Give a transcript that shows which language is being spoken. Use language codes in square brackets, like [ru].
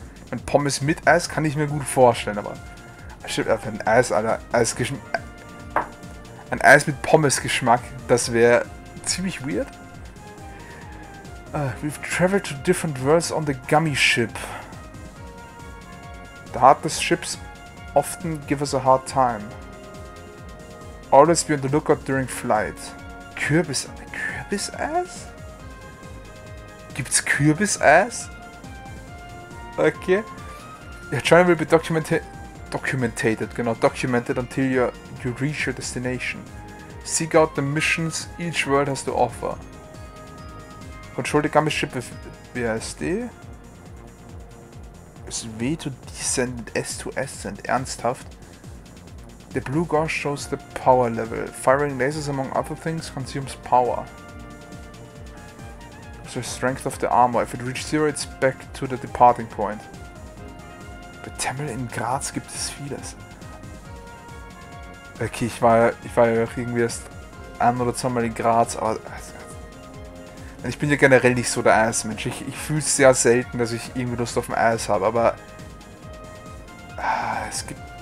[de] Ein Pommes mit Eis kann ich mir gut vorstellen, aber. Ein Eis mit Pommes Geschmack, das wäre ziemlich weird. [en] We've traveled to different worlds on the Gummy Ship. The hardest ships often give us a hard time. Always be on the lookout during flight. Kürbis-Eis? [de] Gibt's Kürbis-Eis? Okay. [en] Your journey will be documented until you reach your destination. Seek out the missions each world has to offer. Control the Gummy Ship with BSD. It's W to descend and S to ascend. Ernsthaft? The blue gauge shows the power level. Firing lasers, among other things, consumes power. The strength of the armor. If it reaches zero, it's back to the departing point. [de] Bei Temmel in Graz gibt es vieles. Okay, ich war ja irgendwie erst ein oder zweimal in Graz, aber... Ich bin ja generell nicht so der Eismensch. Ich fühle es sehr selten, dass ich irgendwie Lust auf ein Eis habe, aber... Es gibt...